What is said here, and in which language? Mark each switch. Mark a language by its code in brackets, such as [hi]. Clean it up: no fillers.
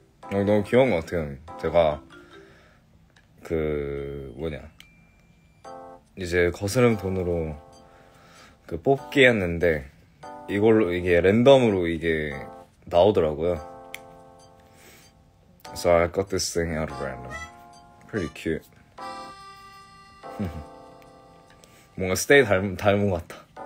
[ko] 너무 귀여운 것 같아요. 제가 그 뭐냐 이제 거스름 돈으로 그 뽑기 했는데 이걸로 이게 랜덤으로 이게 나오더라고요. [en] So I got this thing out of random. Pretty cute. [ko] 뭔가 스테이 닮은 것 같다.